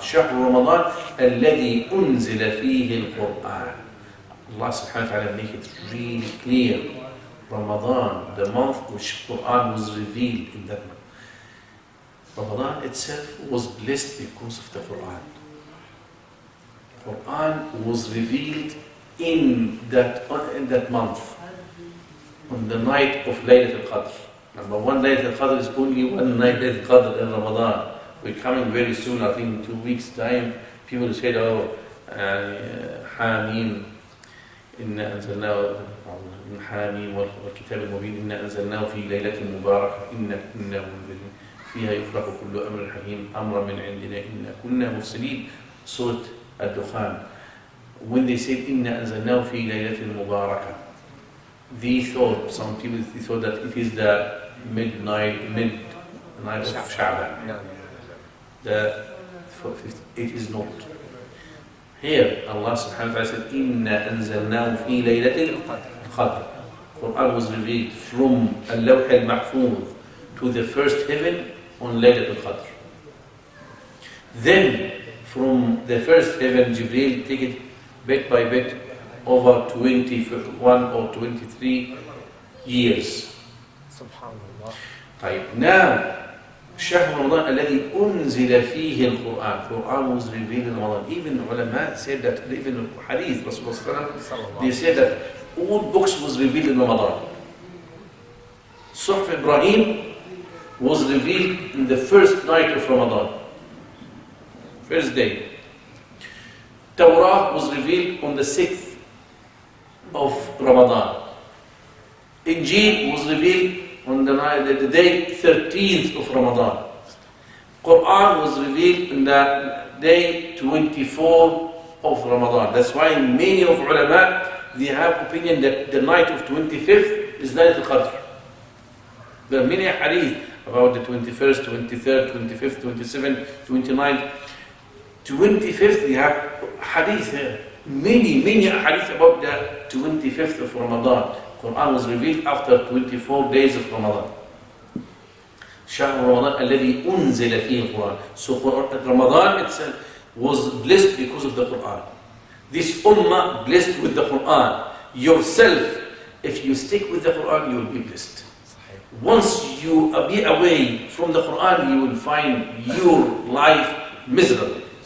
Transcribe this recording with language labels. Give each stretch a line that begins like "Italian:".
Arabic: شهر رمضان الذي أنزل فيه القرآن.
English: Allah subhanahu wa ta'ala make it really clear. Ramadan, the month which Quran was revealed in that month. Ramadan itself was blessed because of the Quran. Quran was revealed in that month, on the night of Laylatul Qadr. Number one, Laylatul Qadr is only one night of Laylatul Qadr in Ramadan. We're coming very soon, I think in 2 weeks' time, people said, oh,
Arabic: Hameen, Inna Anzalnao, Hameen, Kitab al-Mubin, Inna Anzalnao fi Laylatul Mubarak, Inna Inna Mubin. فيها يفرق كل أمر حكيم أمر من عندنا إن كنا مرسلين سورة الدخان.
English: When they said
Arabic: إن أنزلناه في ليلة مباركة,
English: they thought, some people they thought that it is the midnight of Shaaban. It is not. Here Allah
Arabic: سبحانه وتعالى
English: said
Arabic: إن أنزلناه في ليلة القدر.
English: Quran was revealed from اللوح المحفوظ to the first heaven on Laylatul Qadr. Then from the first heaven, Jibreel take it bit by bit over 21 or 23 years.
Arabic: Subhanallah. طيب.
English: Now,
Arabic: شهر رمضان الذي أنزل فيه القرآن.
English: Quran was revealed in Ramadan. Even ulama said that, even Hadith, Rasulullah
Arabic: صلى الله عليه وسلم,
English: they said that all books was revealed in Ramadan. Suhuf Ibrahim was revealed in the first night of Ramadan, first day. Torah was revealed on the 6th of Ramadan. Injil was revealed on the day 13th of Ramadan. Quran was revealed on the day 24th of Ramadan. That's why many of ulama, they have opinion that the night of 25th is Laylat al-Qadr. There are many hadith about the 21st, 23rd, 25th, 27th, 29th. 25th, we have hadith here. Many hadith about the 25th of Ramadan. Quran was revealed after 24 days of Ramadan.
Arabic: شهر رمضان الذي أنزل فيه القرآن.
English: So Ramadan itself was blessed because of the Quran. This ummah blessed with the Quran. Yourself, if you stick with the Quran, you will be blessed. Once you be away from the Quran, you will find your life miserable.